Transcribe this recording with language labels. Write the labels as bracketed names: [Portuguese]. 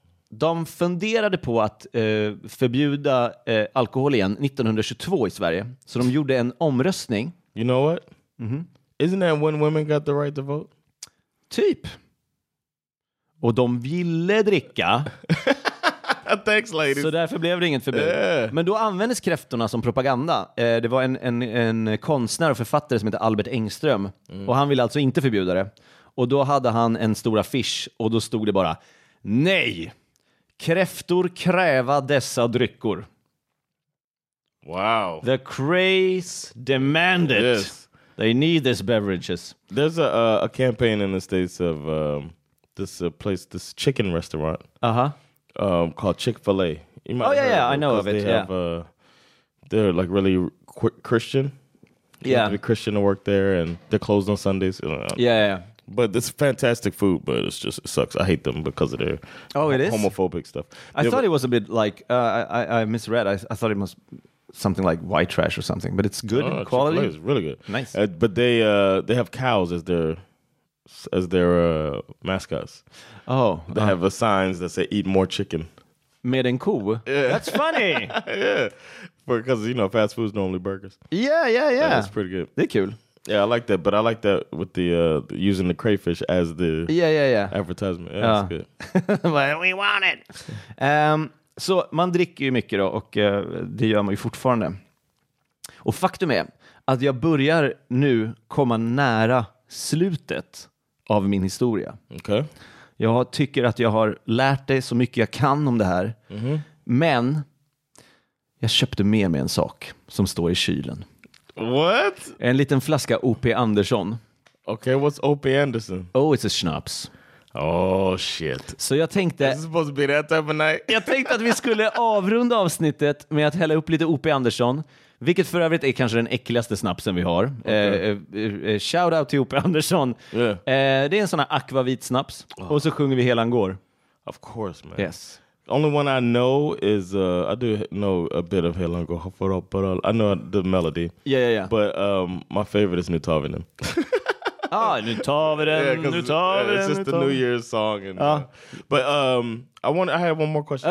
[Swedish] De funderade på att förbjuda alkohol igen 1922 i Sverige. Så de gjorde en omröstning. [English] You know what? Mm-hmm. Isn't that when women got the right to vote? [Swedish] Typ. Och de ville dricka. [English] Thanks, ladies. [Swedish] Så därför blev det inget förbud. [English] Yeah. [Swedish] Men då användes kräftorna som propaganda. Det var en konstnär och författare som heter Albert Engström. Mm. Och han ville alltså inte förbjuda det. Och då hade han en stor affisch och då stod det bara: nej! Kräftor kräva dessa dryckor. [English] Wow. The craze demanded. Yes. They need these beverages. There's a campaign in the States of this chicken restaurant. Uh-huh. Called Chick-fil-A. I know of it. They have they're like really Christian. Yeah. They're Christian to work there and they're closed on Sundays. Yeah. But it's fantastic food, but it's just, it sucks. I hate them because of their homophobic stuff. It was a bit like, I misread. I thought it was something like white trash or something, but it's good quality. Chick-fil-A is really good. Nice. But they have cows as their mascots. Oh. They have signs that say, eat more chicken. [Swedish] Med en ko. [English] That's funny. Yeah. Because, you know, fast food is normally burgers. Yeah. That's pretty good. They're cool. Yeah, I like that, but I like that with the using the crayfish as the advertisement. Yeah, that's good. But we want it. [Swedish] Så man dricker ju mycket då, och det gör man ju fortfarande. Och faktum är att jag börjar nu komma nära slutet av min historia. Okej. Okay. Jag tycker att jag har lärt dig så mycket jag kan om det här. Mm-hmm. Men jag köpte med mig en sak som står i kylen. [English] What? [Swedish] En liten flaska O.P. Anderson. [English] Okay, what's O.P. Anderson? Oh, it's a schnapps. Oh, shit. [Swedish] Så jag tänkte... [English] Is it supposed to be that type of night? [Swedish] Jag tänkte att vi skulle avrunda avsnittet med att hälla upp lite O.P. Anderson. Vilket för övrigt är kanske den äckligaste snapsen vi har. [English] Okay. Shout out till O.P. Anderson. Yeah. [Swedish] Det är en sån här akvavit snaps. Oh. Och så sjunger vi Hela Angår. [English] Of course, man. Yes. Only one I know is I do know a bit of Hela Angår, but I know the melody. Yeah. But my favorite is Nu tar vi den. Ah, Nu tar vi den. Yeah, Nu tar vi den. It's just the New Year's song. And, but I have one more question.